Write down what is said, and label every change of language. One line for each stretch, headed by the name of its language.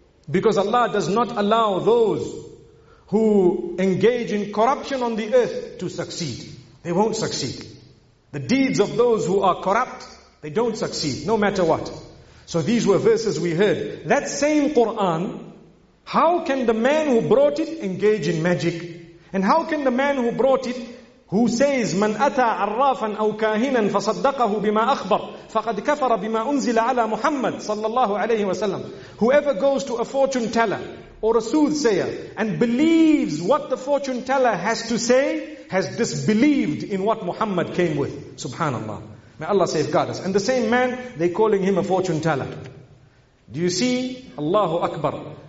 English: Because Allah does not allow those who engage in corruption on the earth to succeed. They won't succeed. The deeds of those who are corrupt, they don't succeed, no matter what. So these were verses we heard. That same Quran, how can the man who brought it engage in magic? And how can the man who brought it, who says,
Arabic: مَنْ أَتَى عَرَّافًا أَوْ كَاهِنًا فَصَدَّقَهُ بِمَا أَخْبَرُ فَقَدْ كَفَرَ بِمَا أُنزِلَ عَلَى مُحَمَّدٍ صَلَّى اللَّهُ عَلَيْهِ وَسَلَّمْ.
English: Whoever goes to a fortune teller or a soothsayer and believes what the fortune teller has to say, has disbelieved in what Muhammad came with. Subhanallah. May Allah safeguard us. And the same man, they calling him a fortune teller. Do you see? Allahu Akbar.